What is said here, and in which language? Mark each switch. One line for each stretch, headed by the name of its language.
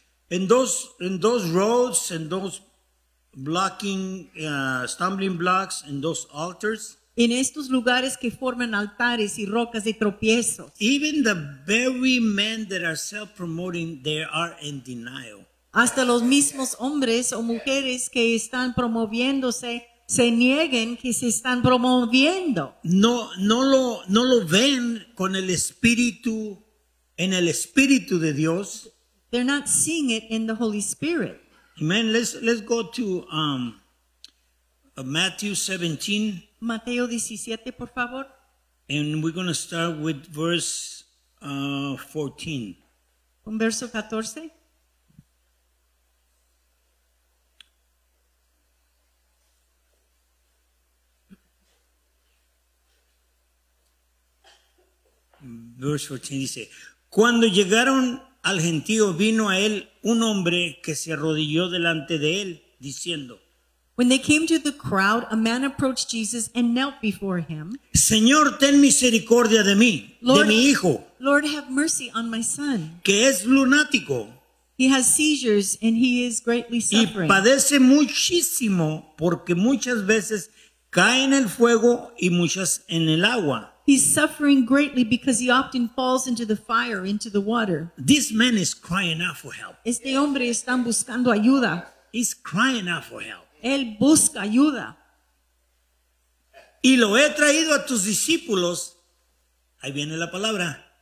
English: In those roads, in those stumbling blocks, in those altars.
Spanish: En estos lugares que forman altares y rocas de tropiezos.
English: Even the very men that are self-promoting, they are in denial.
Spanish: Hasta los mismos hombres o mujeres que están promoviéndose se nieguen que se están promoviendo. No lo ven con el espíritu, en el espíritu de Dios.
English: They're not seeing it in the Holy Spirit. Amen. Let's go to Matthew 17.
Spanish: Mateo 17, por favor.
English: And we're going to start with verse 14.
Spanish: Con verso 14. Verse 14 dice, cuando llegaron al gentío, vino a él un hombre que se arrodilló delante de él, diciendo,
English: when they came to the crowd, a man approached Jesus and knelt before him.
Spanish: Señor, ten misericordia de mí, Lord, de mi hijo.
English: Lord, have mercy on my son.
Spanish: Que es lunático.
English: He has seizures and he is greatly suffering.
Spanish: Y padece muchísimo porque muchas veces cae en el fuego y muchas en el agua.
English: He's suffering greatly because he often falls into the fire, into the water. This man is crying out for help.
Spanish: Este hombre está buscando ayuda.
English: He's crying out for help.
Spanish: Él busca ayuda. Y lo he traído a tus discípulos. Ahí viene la palabra.